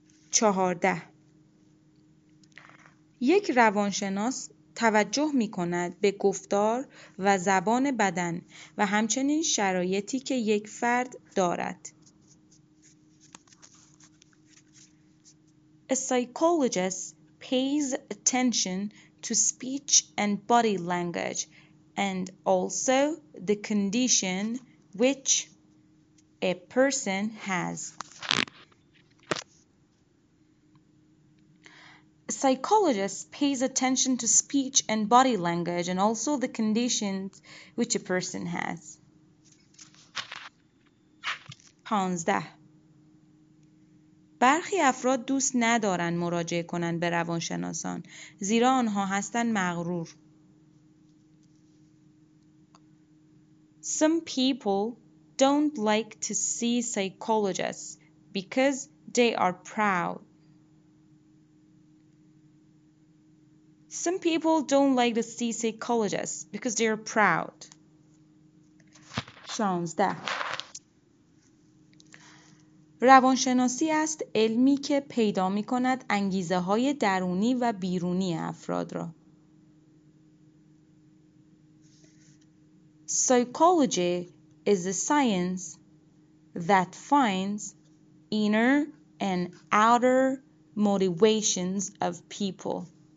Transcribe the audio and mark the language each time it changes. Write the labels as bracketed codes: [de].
[fa] 14. یک روانشناس توجه می کند به گفتار و زبان بدن و همچنین شرایطی که یک فرد دارد. [en] A psychologist pays attention to speech and body language, and also the condition which a person has. A psychologist pays attention to speech and body language, and also the conditions which a person has. 15. [fa] برخی افراد دوست ندارند مراجعه کنند به روانشناسان زیرا آنها هستند مغرور. [en] Some people don't like to see psychologists because they are proud. Some people don't like to see psychologists because they are proud. 16. [fa] روانشناسی است علمی که پیدا می کند انگیزه های درونی و بیرونی افراد را. [en] Psychology is a science that finds inner and outer motivations of people.